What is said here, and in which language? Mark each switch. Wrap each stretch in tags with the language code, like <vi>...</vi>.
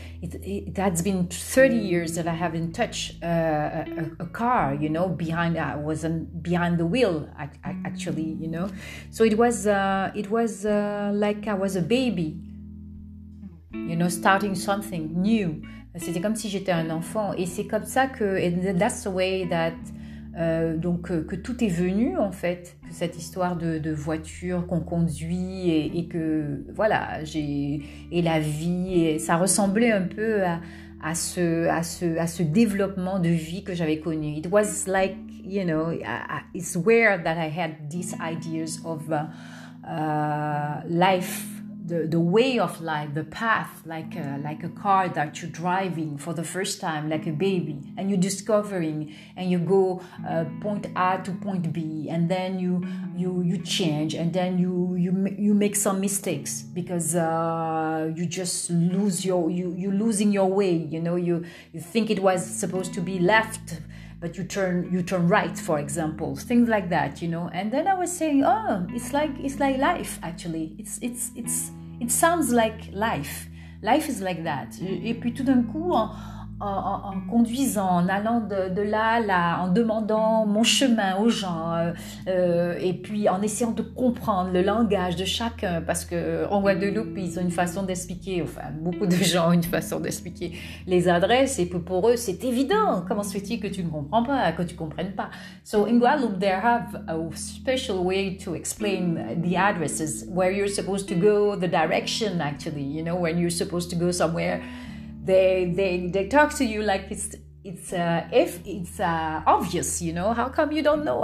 <en>It has been 30 years that I haven't touched a car, you know, behind. I wasn't behind the wheel, actually, you know. So it was like I was a baby, you know, starting something new.</en> <fr>C'était comme si j'étais un enfant, et c'est comme ça que.</fr> <en>And that's the way that.</en> <fr>Donc, que tout est venu en fait, que cette histoire de voiture qu'on conduit et que voilà, et la vie, et ça ressemblait un peu à ce développement de vie que j'avais connu.</fr> <en>It was like, you know, it's where that I had these ideas of life, the way of life, the path, like a car that you're driving for the first time, like a baby, and you're discovering, and you go point A to point B, and then you change, and then you make some mistakes because you just lose your you're losing your way, you know, you think it was supposed to be left, but you turn right, for example, things like that, you know. And then I was saying, oh, it's like life, actually. It sounds like life. Life is like that.</en> <fr>Et puis tout d'un coup, en conduisant, en allant de là à là, en demandant mon chemin aux gens, et puis en essayant de comprendre le langage de chacun, parce que en Guadeloupe, ils ont une façon d'expliquer, enfin, beaucoup de gens ont une façon d'expliquer les adresses, et pour eux, c'est évident. Comment se fait-il que tu ne comprends pas, que tu ne comprennes pas?</fr> <en>So, in Guadeloupe, they have a special way to explain the addresses, where you're supposed to go, the direction, actually, you know, when you're supposed to go somewhere. They talk to you like it's obvious, you know. How come you don't know?</en>